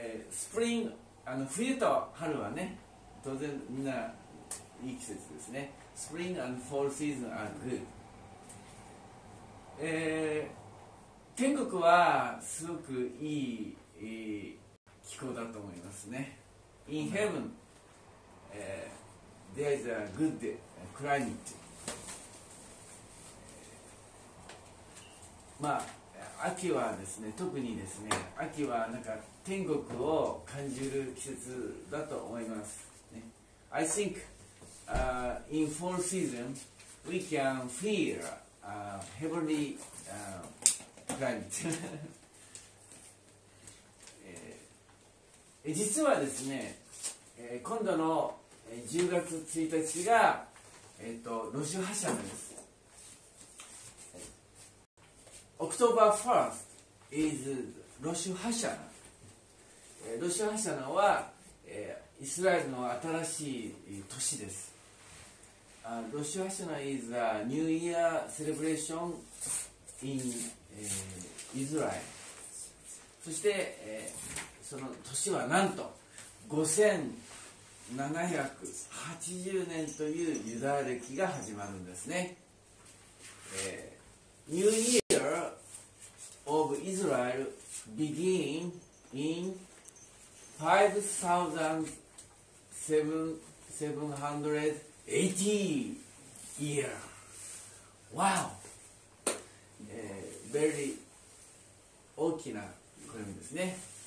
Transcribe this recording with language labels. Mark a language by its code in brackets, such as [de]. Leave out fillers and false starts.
[ja] Spring, 冬と春はね、当然みんないい季節ですね。 [en] Spring and fall season are good. [ja] 天国はすごくいい、気候だと思いますね。 [en] In heaven,、there is a good climate. [ja] まあ、秋はですね、特にですね、秋はなんか天国を感じる季節だと思います、ね、 [en] I think、in fall season we can feel heavenly climate [ja] 実はですね、今度の10月1日が、ロシュハシャナです [en] October 1st is Rosh Hashanah. [ja] Rosh Hashanah は、イスラエルの新しい年です。 [en] Rosh Hashanah is a New Year celebration in、Israel. [ja] そして、その年はなんと5780年というユダヤ歴が始まるんですね。 [en] New Year of Israel begin in 5780 year. Wow! Very [ja] 大きな暦ですね。